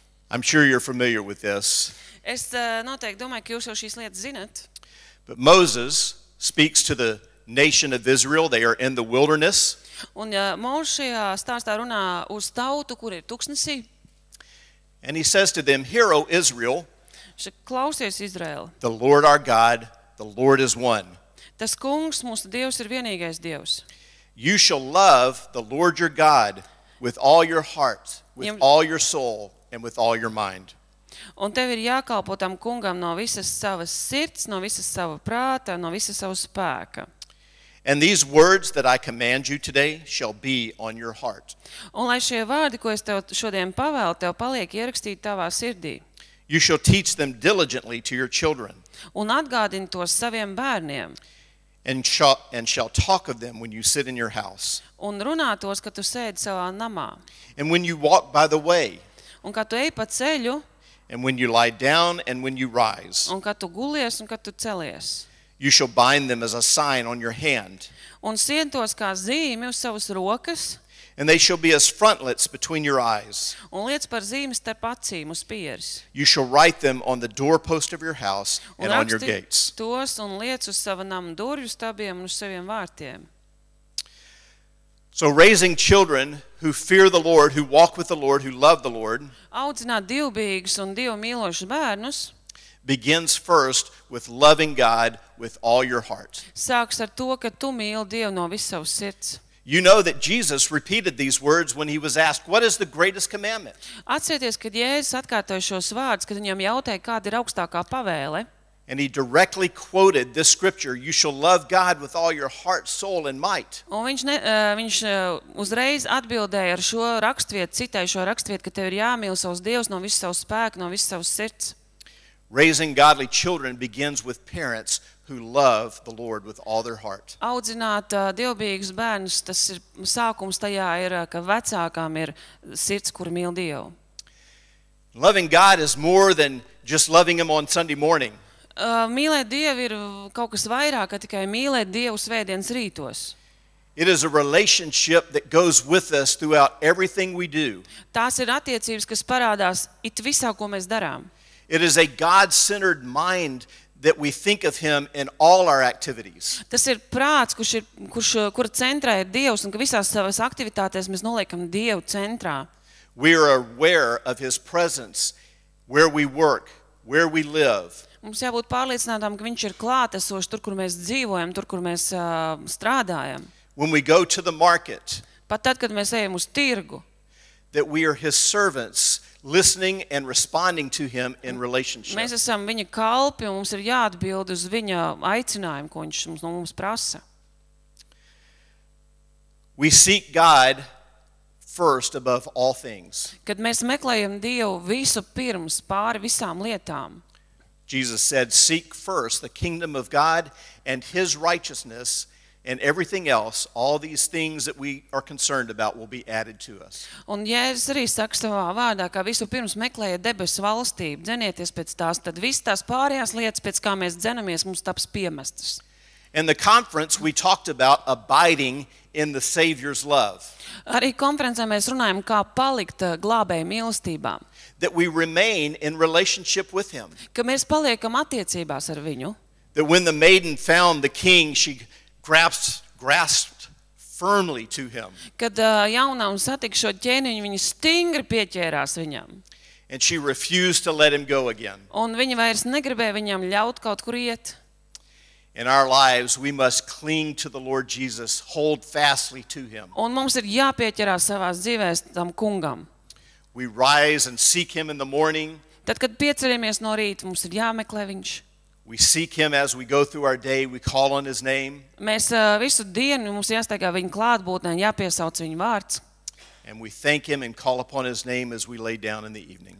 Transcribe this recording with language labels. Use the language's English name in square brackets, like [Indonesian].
[English] I'm sure you're familiar with this. [Latvian] Es noteikti domāju, ka jūs jau šīs lietas zinat. [English] But Moses speaks to the nation of Israel. They are in the wilderness. [Latvian] Un Mozes šajā stāstā runā uz tautu, kur ir tuksnesī. [English] And he says to them, Hear, O Israel, [Latvian] Klausies, Izrael, [English] the Lord our God, the Lord is one. [Latvian] Tas kungs, mūsu Dievs, ir vienīgais Dievs. [English] You shall love the Lord your God with all your heart, with all your soul, and with all your mind. [Latvian] Un tev ir jākalpo tam kungam no visas savas sirds, no visas sava prāta, no visas savas spēka. [English] And these words that I command you today shall be on your heart. [Latvian] Un lai šie vārdi, ko es tev šodien pavēlu, tev paliek ierakstīti tavā sirdī. [English] You shall teach them diligently to your children. [Latvian] Un atgādini tos saviem bērniem. [English] And shall talk of them when you sit in your house. [Latvian] Un runā tos, kad tu sēdi savā namā. [English] And when you walk by the way. [Latvian] Un kad tu ej pa ceļu. [English] And when you lie down and when you rise. [Latvian] Un kad tu gulies un kad tu celies. [English] You shall bind them as a sign on your hand. [Latvian] Un sien tos kā zīmi uz savas rokas. [English] And they shall be as frontlets between your eyes. [Latvian] Un liec par zīmes starp acīm uz pieres. [English] You shall write them on the doorpost of your house and on your gates. [Latvian] Un raksti tos un liec uz sava nama durvju stabiem un uz saviem vārtiem. [English] So raising children who fear the Lord, who walk with the Lord, who love the Lord. [Latvian] Audzināt dievbijīgus un Dievu mīlošus bērnus. [English] Begins first with loving God with all your heart. [Latvian] Sāks ar to, ka tu mīli Dievu no visas savas sirds. [English] You know that Jesus repeated these words when he was asked, "What is the greatest commandment?" [Latvian] Atcerieties, kad Jēzus atkārtoja šos vārdus, kad viņam jautāja, kāda ir augstākā pavēle. [English] And he directly quoted this scripture, "You shall love God with all your heart, soul, and might." [Latvian] Un viņš uzreiz atbildēja ar šo rakstvietu, citēja šo rakstvietu, ka tev ir jāmīl savus Dievus no visu savu spēku, no visu savu sirds. [English] Raising godly children begins with parents who love the Lord with all their heart. [Latvian] Audzināt dievbijīgus bērnus, tas ir sākums tajā ir, ka vecākām ir sirds, kur mīl Dievu. [English] Loving God is more than just loving him on Sunday morning. [Latvian] Mīlēt Dievu ir kaut kas vairāk, ka tikai mīlēt Dievu svētdienas rītos. [English] It is a relationship that goes with us throughout everything we do. [Latvian] Tās ir attiecības, kas parādās it visā, ko mēs darām. [English] It is a God-centered mind that we think of him in all our activities. [Latvian] Tas ir prāts, kur centrā ir Dievs, un ka visās savas aktivitātēs mēs noliekam Dievu centrā. [English] We are aware of his presence where we work, where we live. [Latvian] Mums jābūt pārliecinātām, ka viņš ir klātesošs tur, kur mēs dzīvojam, tur, kur mēs strādājam. [English] When we go to the market. [Latvian] Pat tad, kad mēs ejam uz tirgu. [English] That we are his servants, listening and responding to him in relationship. [Latvian] Mēs esam viņa kalpi, un mums ir jāatbild uz viņa aicinājumu, ko viņš mums no mums prasa. [English] We seek God first above all things. [Latvian] Kad mēs meklējam Dievu visu pirms, pāri visām lietām. [English] Jesus said, "Seek first the kingdom of God and his righteousness." And everything else, all these things that we are concerned about will be added to us. [Latvian] Un Jēzus arī saka savā vārdā, ka visu pirms meklējiet debesu valstību, dzenieties pēc tās, tad visas tās pārējās lietas, pēc kā mēs dzenamies, mums taps piemestas. [English] In the conference we talked about abiding in the Savior's love. [Latvian] Arī konferencē mēs runājam, kā palikt glābēja mīlestībā. [English] That we remain in relationship with him. [Latvian] Ka mēs paliekam attiecībās ar viņu. [English] That when the maiden found the king, she grasped firmly to him. [Latvian] Kad jaunā un satikšo ķēniņu, viņa stingri pieķērās viņam. [English] And she refused to let him go again. [Latvian] Un viņa vairs negribēja viņam ļaut kaut kur iet. [English] In our lives, we must cling to the Lord Jesus, hold fastly to him. [Latvian] Un mums ir jāpieķerās savās dzīvēs tam kungam. [English] We rise and seek him in the morning. [Latvian] Tad, kad pieceramies no rīta, mums ir jāmeklē viņš. [English] We seek him as we go through our day, we call on his name. [Latvian] Mēs visu dienu mums jāstaigā viņa klātbūtnē, jāpiesauc viņa vārds. [English] And we thank him and call upon his name as we lay down in the evening.